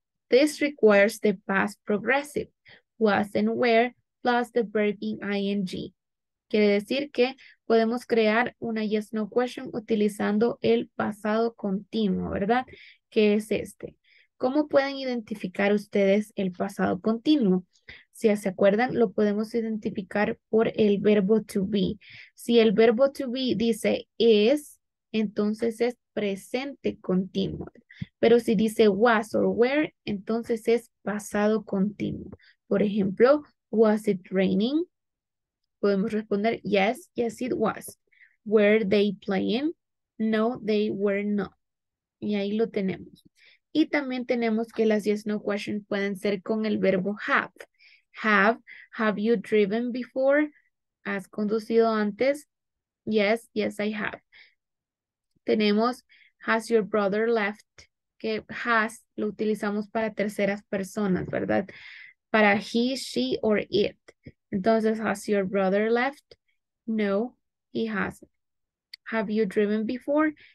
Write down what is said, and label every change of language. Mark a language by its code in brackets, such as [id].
[en] This requires the past progressive, was and where, plus the verb in ing. [es] Quiere decir que podemos crear una yes no question utilizando el pasado continuo, ¿verdad? ¿Qué es este? ¿Cómo pueden identificar ustedes el pasado continuo? Si se acuerdan, lo podemos identificar por el verbo to be. Si el verbo to be dice is, entonces es presente continuo. Pero si dice was or were, entonces es pasado continuo. Por ejemplo, [en] was it raining? [es] Podemos responder, [en] yes, yes it was. Were they playing? No, they were not. [es] Y ahí lo tenemos. Y también tenemos que las yes no questions pueden ser con el verbo have. [en] Have you driven before? [es] ¿Has conducido antes? [en] Yes, yes I have. Tenemos, has your brother left? [es] Que has lo utilizamos para terceras personas, ¿verdad? Para he, she, or it. [en] Entonces, has your brother left? No, he hasn't. Have you driven before?